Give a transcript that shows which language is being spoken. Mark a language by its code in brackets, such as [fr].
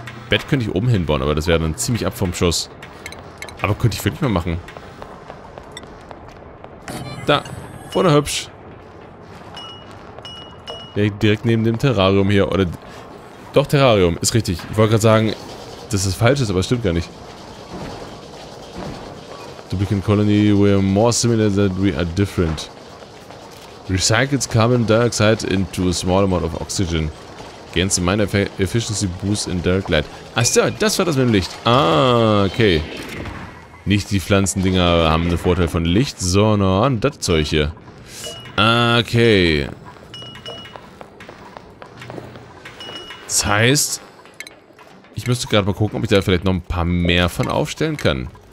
[de] Bett könnte ich oben hinbauen, aber das wäre dann ziemlich ab vom Schuss. Aber könnte ich wirklich mal machen. Da. Vorne hübsch. Direkt neben dem Terrarium hier. Oder doch, Terrarium. Ist richtig. Ich wollte gerade sagen, dass es falsch ist, aber es stimmt gar nicht. [en] Duplicate Colony, we are more similar than we are different. Recycles carbon dioxide into a small amount of oxygen. Gains a minor efficiency boost in direct light. [de] Achso, das war das mit dem Licht. Ah, okay. Nicht die Pflanzendinger haben einen Vorteil von Licht, sondern das Zeug hier. Okay. Das heißt, ich müsste gerade mal gucken, ob ich da vielleicht noch ein paar mehr von aufstellen kann.